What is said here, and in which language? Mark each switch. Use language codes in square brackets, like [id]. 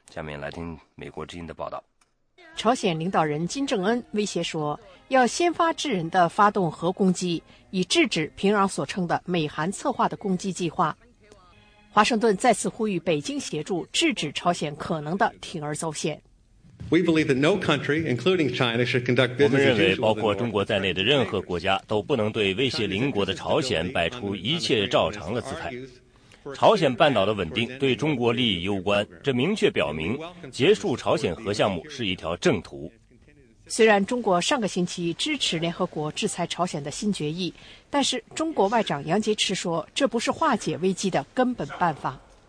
[zh] 下面来听美国之音的报道。朝鲜领导人金正恩威胁说，要先发制人的发动核攻击，以制止平壤所称的美韩策划的攻击计划。华盛顿再次呼吁北京协助制止朝鲜可能的铤而走险。 [en] We believe that no country, including China, should conduct business as usual. [zh] 我们认为，包括中国在内的任何国家都不能对威胁邻国的朝鲜摆出一切照常的姿态。朝鲜半岛的稳定对中国利益攸关，这明确表明结束朝鲜核项目是一条正途。虽然中国上个星期支持联合国制裁朝鲜的新决议，但是中国外长杨洁篪说，这不是化解危机的根本办法。